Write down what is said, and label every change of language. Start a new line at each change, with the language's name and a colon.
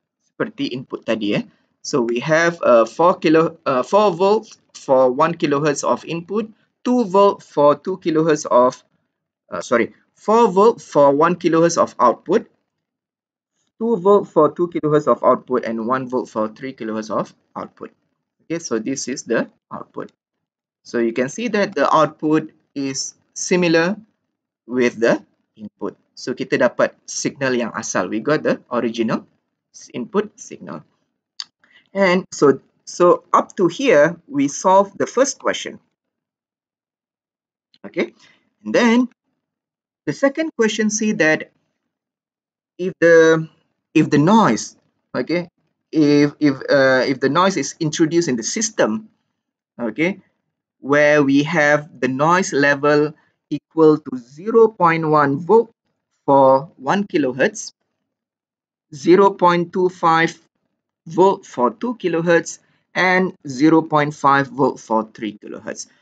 Malay: Seperti input tadi,
English: So we have 4 volt for 1 kilohertz of input, 2 volt for 2 kilohertz of 4 volt for 1 kilohertz of output, 2 volt for 2 kilohertz of output and 1 volt for 3 kilohertz of output. Okay, so this is the output. So you can see that the output is similar with the input.
Malay: So kita dapat signal yang asal.
English: We got the original input signal. And so up to here, we solve the first question. Okay, and then the second question say that if the noise is introduced in the system, okay, where we have the noise level equal to 0.1 volt for 1 kilohertz, 0.25 volt for 2 kilohertz, and 0.5 volt for 3 kilohertz.